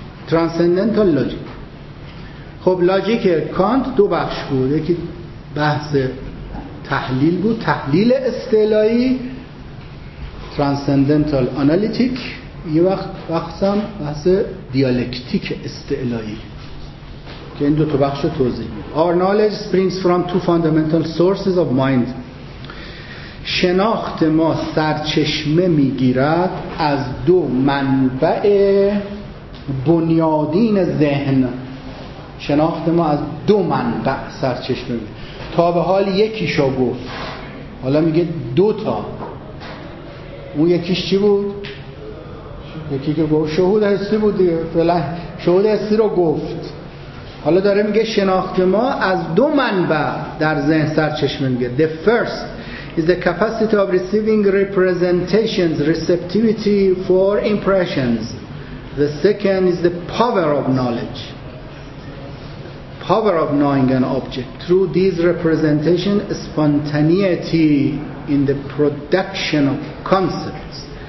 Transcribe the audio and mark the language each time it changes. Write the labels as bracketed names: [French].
[Persian] ترانسندنتال لاجیک. خب لاجیک کانت دو بخش بود. یکی بحث تحلیل بود، تحلیل استعلایی، ترانسندنتال آنالیتیک، یه وقت بخشم بحث دیالکتیک استعلایی که این دو تا بخش رو توضیح میده. [English] Our knowledge springs from two fundamental sources of mind. [Persian] شناخت ما سرچشمه میگیرد از دو منبع بنیادین ذهن. شناخت ما از دو منبع سرچشمه میگیرد. تا به حال یکیشا گفت، حالا میگه دو تا. اون یکیش چی بود؟ یکی که گفت شهود حسی بود دیگه، فعلا شهود حسی رو گفت. حالا داره میگه شناخت ما از دو منبع در ذهن سرچشمه میگه. [English] The first is the capacity of receiving representations, receptivity for impressions. The second is the power of knowledge. Power of knowing an object through these representation, spontaneity in the production of concepts.